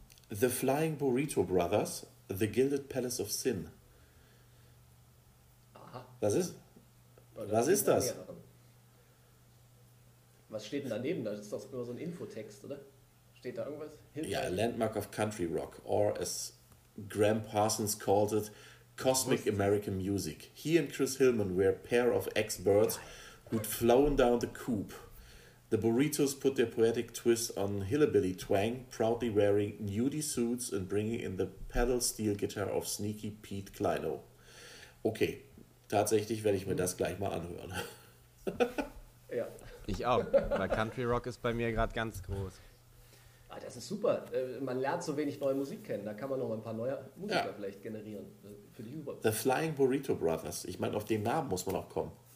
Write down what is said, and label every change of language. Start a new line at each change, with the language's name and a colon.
English: The Flying Burrito Brothers, The Gilded Palace of Sin.
German: Aha. Was ist das? Was steht denn daneben? Das ist doch nur so ein Infotext, oder? Steht da irgendwas?
English: Ja, yeah, Landmark of Country Rock. Or as Graham Parsons called it, Cosmic American Music. He and Chris Hillman were a pair of ex-birds who'd flown down the coop. The Burritos put their poetic twist on Hillbilly Twang, proudly wearing nudie suits and bringing in the pedal steel guitar of Sneaky Pete Kleino.
German: Okay, tatsächlich werde ich mir das gleich mal anhören. Ja. Ich auch, weil Country Rock ist bei mir gerade ganz groß. Ah, das ist super, man lernt so wenig neue Musik kennen, da kann man noch ein paar neue Musiker vielleicht generieren. Für die The Flying Burrito Brothers, ich meine, auf den Namen muss man auch kommen.